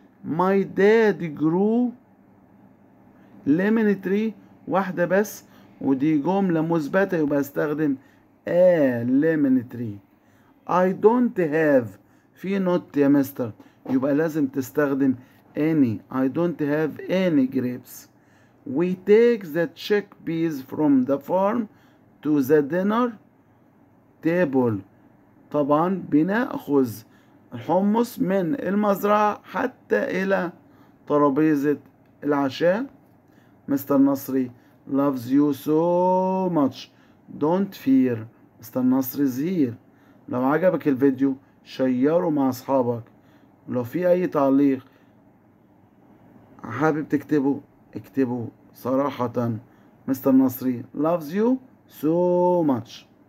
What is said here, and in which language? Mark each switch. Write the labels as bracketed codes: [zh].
[en] my dad grew lemon tree، واحدة بس ودي جملة مثبتة يبقى استخدم a lemon tree. [ar] I don't have، في not يا مستر يبقى لازم تستخدم any. [en] I don't have any grapes. we take the check bees from the farm to the dinner table. [ar] طبعا بنأخذ الحمص من المزرعة حتى إلى ترابيزة العشاء. [en] Mister نصري loves you so much. don't fear. [ar] مستر نصري زهير. لو عجبك الفيديو شيره مع أصحابك، ولو في أي تعليق حابب تكتبه اكتبه صراحة. مستر نصري loves you so much.